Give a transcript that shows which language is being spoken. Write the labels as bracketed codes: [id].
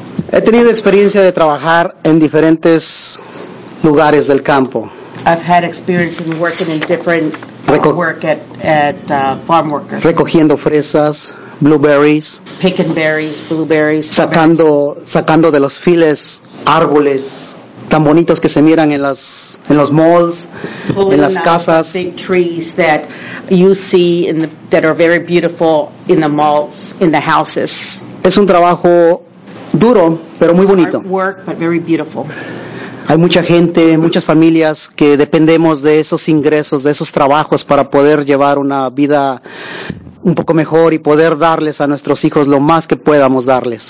[es] He tenido experiencia de trabajar en diferentes lugares del campo. [en] I've had experience in working in different work at farm workers. [es] Recogiendo fresas, blueberries. [en] Picking berries, blueberries. [es] Sacando de los files árboles tan bonitos que se miran en los malls, en las casas. [en] Pulling out the trees that you see that are very beautiful in the malls, in the houses. [es] Es un trabajo duro, pero muy bonito. [en] Hard work, but very beautiful. [es] Hay mucha gente, muchas familias que dependemos de esos ingresos, de esos trabajos para poder llevar una vida un poco mejor y poder darles a nuestros hijos lo más que podamos darles.